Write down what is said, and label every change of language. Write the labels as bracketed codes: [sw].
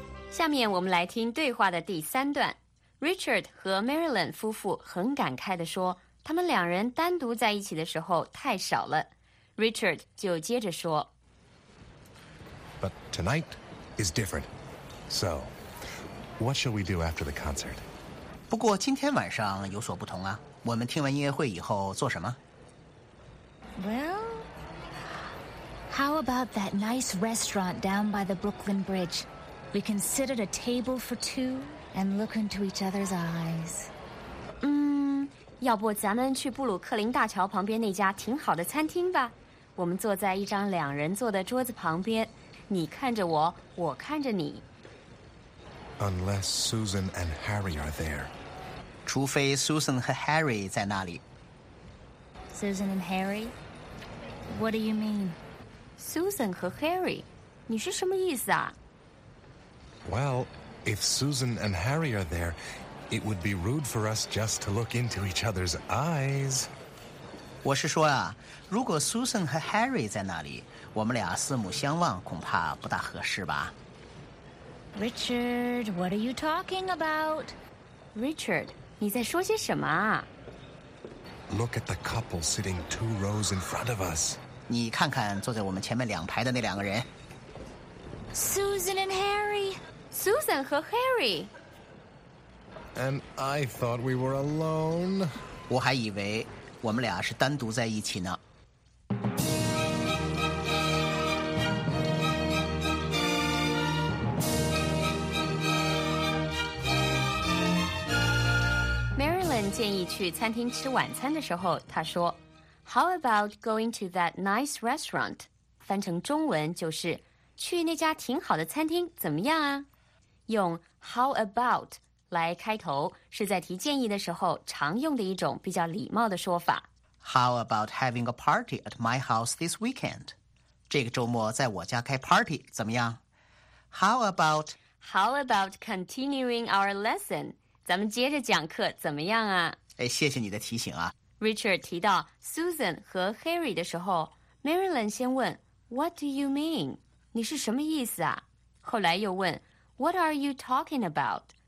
[zh] 下面我们来听对话的第三段。Richard 和 Marilyn 夫妇很感慨地说，他们两人单独在一起的时候太少了。 Richard 就接着说， [en] But tonight is different. So, what shall we do after the concert? [zh] 不过今天晚上有所不同啊，我们听完音乐会以后做什么？ [en] Well, how about that nice restaurant down by the Brooklyn Bridge? We can sit at a table for two and look into each other's eyes. [zh] 要不咱们去布鲁克林大桥旁边那家挺好的餐厅吧。我们坐在一张两人坐的桌子旁边，你看着我，我看着你。 [en] Unless Susan and Harry are there. [zh] 除非 Susan 和 Harry 在那里。 [en] Susan and Harry? What do you mean? [zh] Susan 和 Harry? 你是什么意思啊？ [en] Well, if Susan and Harry are there, it would be rude for us just to look into each other's eyes. [zh] 我是说啊，如果 Susan 和 Harry 在那里，我们俩四目相望恐怕不大合适吧。 [en] Richard, what are you talking about? [zh] Richard, 你在说些什么啊？ [en] Look at the couple sitting two rows in front of us. [zh] 你看看坐在我们前面两排的那两个人。 [en] Susan and Harry. [zh] Susan 和 Harry. [en] And I thought we were alone. [zh] 我还以为我们俩是单独在一起呢。 Marilyn 建议去餐厅吃晚餐的时候，她说 [en] How about going to that nice restaurant? [zh] 翻成中文就是去那家挺好的餐厅怎么样啊？用 how about 来开头，是在提建议的时候常用的一种比较礼貌的说法。 [en] How about having a party at my house this weekend? [zh] 这个周末在我家开 party 怎么样？ [en] How about continuing our lesson? [zh] 咱们接着讲课怎么样啊？哎，谢谢你的提醒啊。 Richard 提到 Susan 和 Harry 的时候， Marilyn 先问 [en] What do you mean? [zh] 你是什么意思啊？后来又问 [en] What are you talking about?